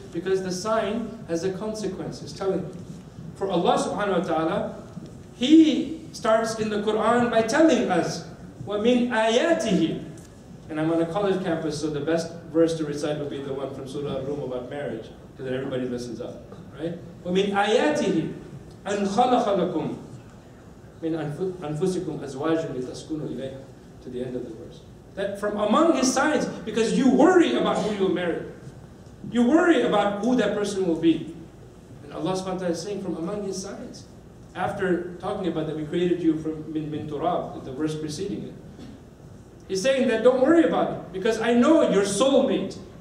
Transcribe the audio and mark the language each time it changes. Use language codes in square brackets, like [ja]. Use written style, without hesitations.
[en] Because the sign has a consequence. It's telling you. For Allah subhanahu wa ta'ala, He starts in the Qur'an by telling us, [ar] وَمِنْ آيَاتِهِ. [en] And I'm on a college campus, so the best verse to recite would be the one from Surah Al-Rum about marriage, because then everybody listens up, right? [ar] وَمِنْ آيَاتِهِ أَنْ خَلَقَ لَكُمْ مِنْ أَنْفُسِكُمْ أَزْوَاجٌ لِتَسْكُنُوا إِلَيْهَا, [en] to the end of the verse. That from among His signs, because you worry about who you'll marry. You worry about who that person will be. And Allah subhanahu wa ta'ala is saying, from among His signs. After talking about that we created you from [ar] min turab, [en] the verse preceding it. He's saying that don't worry about it, because I know your soulmate.